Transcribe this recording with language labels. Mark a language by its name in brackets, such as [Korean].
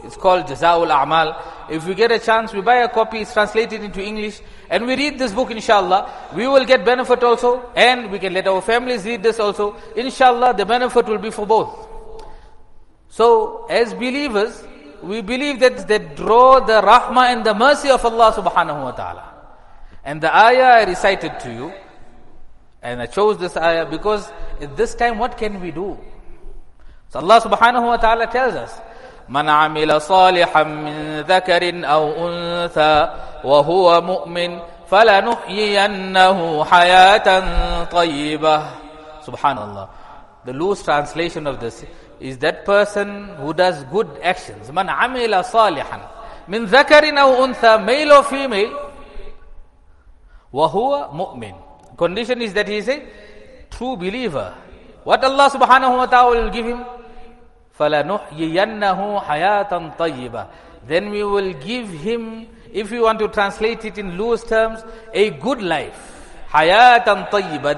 [English] It's called Jaza'ul A'mal. If we get a chance, we buy a copy, it's translated into English, and we read this book, inshallah, we will get benefit also, and we can let our families read this also. Inshallah, the benefit will be for both. So as believers, we believe that they draw the rahmah and the mercy of Allah subhanahu wa ta'ala. And the ayah I recited to you, and I chose this ayah because at this time what can we do? So Allah subhanahu wa ta'ala tells us, [Arabic] مَنْ عَمِلَ صَالِحًا مِّن ذَكَرٍ أَوْ أُنْثَى وَهُوَ مُؤْمِنٍ فَلَنُحْيِيَنَّهُ حَيَاةً طَيِّبَةً. Subhanallah. [English] The loose translation of this is that person who does good actions. [Arabic] مَنْ عَمِلَ صَالِحًا مِّن ذَكَرٍ أَوْ أُنْثَى, [English] male or female, [Arabic] وَهُوَ مُؤْمِنٍ. [English] Condition is that he is a true believer. What Allah subhanahu wa ta'ala will give him? [Arabic] فَلَنُحْيِيَنَّهُ حَيَاةً طَيِّبَةً. [English] Then we will give him, if you want to translate it in loose terms, a good life. [Arabic] حَيَاةً طَيِّبَةً.